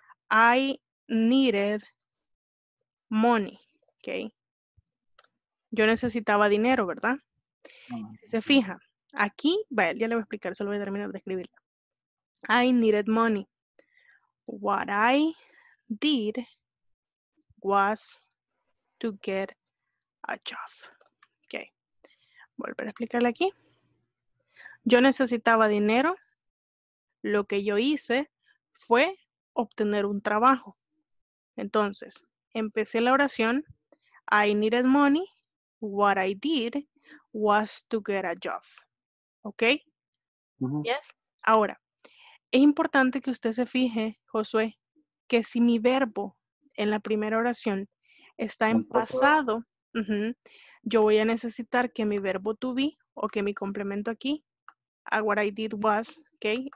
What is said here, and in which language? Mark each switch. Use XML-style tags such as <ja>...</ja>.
<en>I needed money. Ok.</en> <es>Yo necesitaba dinero, ¿verdad? Si se fija, aquí, vale, ya le voy a explicar, solo voy a terminar de escribirlo.</es> <en>I needed money. What I did was to get a job.</en> <es>Okay. Volver a explicarle aquí. Yo necesitaba dinero. Lo que yo hice fue obtener un trabajo. Entonces, empecé la oración.</es> <en>I needed money. What I did was to get a job. Okay. Yes. Ahora.</en> <es>Es importante que usted se fije, Josué, que si mi verbo en la primera oración está en pasado, yo voy a necesitar que mi verbo to be o que mi complemento aquí, a</es> <en>what I did was,</en> <es>¿ok?</es>